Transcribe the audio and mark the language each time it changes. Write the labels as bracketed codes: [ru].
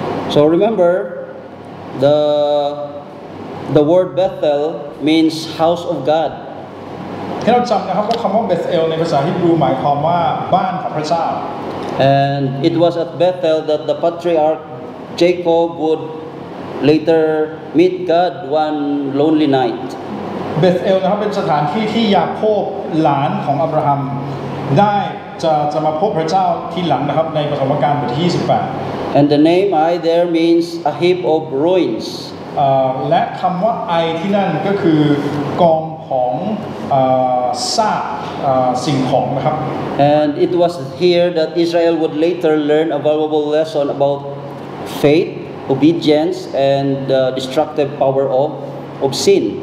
[en] So remember the word Bethel means house of God. [th] ให้เราจำนะครับว่าคำว่าเบธเอลในภาษาฮีบรูหมายความว่าบ้านของพระเจ้า [en] And it was at Bethel that the patriarch Jacob would later meet God one lonely night. [th] เบธเอลนะครับเป็นสถานที่ที่ยาโคบหลานของอับราฮัมได้จะมาพบพระเจ้าที่หลังนะครับในปฐมกาลบทที่28 [en] And the name Ai there means a heap of ruins. [th] และคำว่าไอที่นั่นก็คือกองของซากสิ่งของนะครับ [en] and it was here that Israel would later learn a valuable lesson about faith obedience and the destructive power of sin